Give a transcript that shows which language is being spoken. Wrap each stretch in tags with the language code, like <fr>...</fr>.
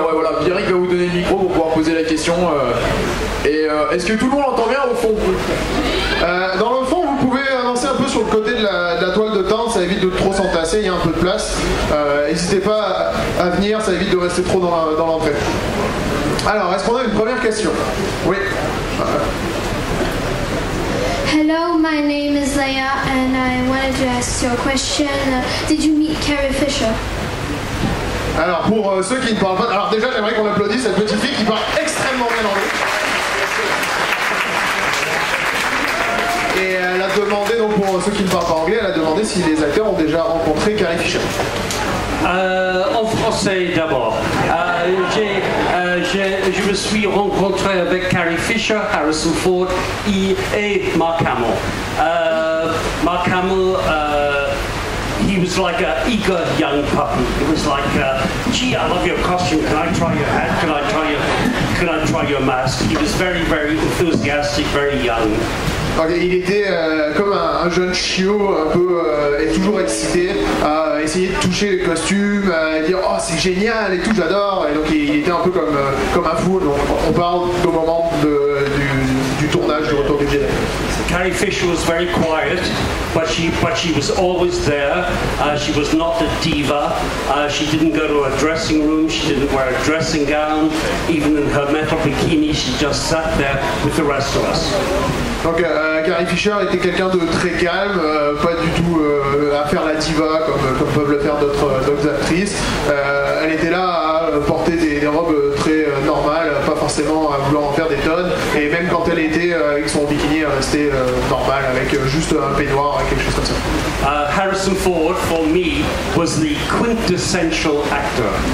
<fr>Voilà, Pierrick va vous donner le micro pour pouvoir poser la question. Est-ce que tout le monde entend bien au fond? Dans le fond, vous pouvez avancer un peu sur le côté de la toile de tente, ça évite de trop s'entasser, il y a un peu de place. N'hésitez pas à venir, ça évite de rester trop dans l'entrée. Alors, est-ce qu'on a une première question? Oui.</fr> <en>Hello, my name is Leia, and I wanted to ask you a question. Did you meet Carrie Fisher?</en> <fr>Alors, pour ceux qui ne parlent pas... Alors déjà, j'aimerais qu'on applaudisse cette petite fille qui parle extrêmement bien anglais. Et elle a demandé, donc pour ceux qui ne parlent pas anglais, elle a demandé si les acteurs ont déjà rencontré Carrie Fisher. En français d'abord. Je me suis rencontré avec Carrie Fisher, Harrison Ford et Mark Hamill.</fr> <en>Mark Hamill, he was like an eager young puppy. He was like, gee, I love your costume. Can I try your hat? Can I try your mask? He was very, very enthusiastic, very young.</en> <fr>Il était comme un jeune chiot, un peu et toujours excité à essayer de toucher les costumes, à dire oh c'est génial et tout, j'adore. Et donc il était un peu comme un fou. Donc on parle au moment du tournage du Retour du Jedi.</fr> <en>Carrie Fisher was very quiet, but she was always there. She was not a diva. She didn't go to a dressing room. She didn't wear a dressing gown. Even in her metal bikini, she just sat there with the rest of us.</en> <fr>Donc Carrie Fisher était quelqu'un de très calme, pas du tout à faire la diva comme peuvent le faire d'autres actrices. Elle était là à porter des robes très normales, pas forcément à vouloir en faire des tonnes. Et même quand elle était avec son bikini, elle restait normale, avec juste un peignoir, quelque chose comme ça.</fr> <en>Harrison Ford, for me, was the quintessential actor.</en>